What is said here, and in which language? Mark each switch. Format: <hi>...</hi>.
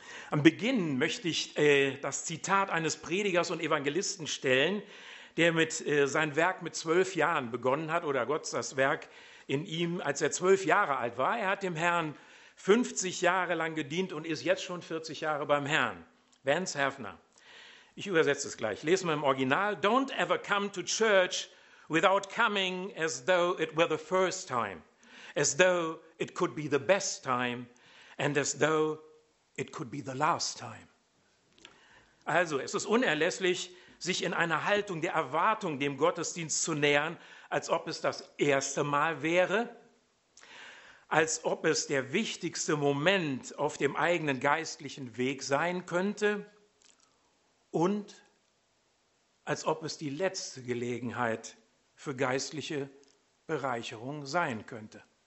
<de>Am Beginn möchte ich das Zitat eines Predigers und Evangelisten stellen, der sein Werk mit 12 Jahren begonnen hat oder Gott das Werk in ihm, als er 12 Jahre alt war. Er hat dem Herrn 50 Jahre lang gedient und ist jetzt schon 40 Jahre beim Herrn. Vance Hafner. Ich übersetze es gleich. Lesen wir im Original.</de> <en>Don't ever come to church without coming as though it were the first time, as though it could be the best time and as though it could be the last time.</en> <de>Also, es ist unerlässlich, sich in einer Haltung der Erwartung dem Gottesdienst zu nähern, als ob es das erste Mal wäre, als ob es der wichtigste Moment auf dem eigenen geistlichen Weg sein könnte und als ob es die letzte Gelegenheit für geistliche Bereicherung sein könnte.</de>